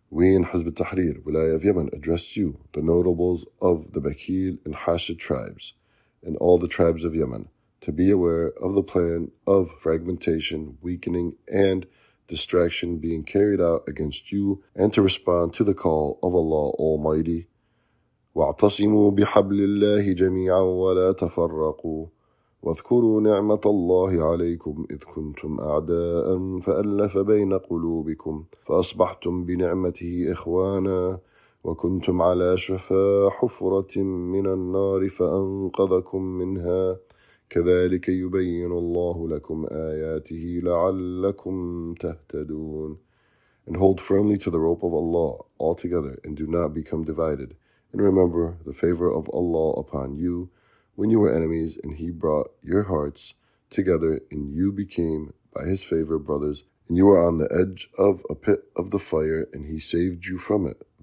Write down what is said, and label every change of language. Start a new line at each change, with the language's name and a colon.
English: We in Hizb al-Tahrir, Wilaya of Yemen, address you, the notables of the Bakil and Hashid tribes, and all the tribes of Yemen, to be aware of the plan of fragmentation, weakening, and distraction being carried out against you, and to respond to the call of Allah Almighty.
Arabic: واعتصموا بحبل الله جميعا ولا تفرقوا واذكروا نعمة الله عليكم إذ كنتم أعداء فألف بين قلوبكم فأصبحتم بنعمته إخوانا وكنتم على شفا حفرة من النار فأنقذكم منها كذلك يبين الله لكم آياته لعلكم تهتدون.
English: And hold firmly to the rope of Allah altogether, and do not become divided. And remember the favor of Allah upon you when you were enemies, and He brought your hearts together, and you became by His favor brothers, and you were on the edge of a pit of the fire, and He saved you from it.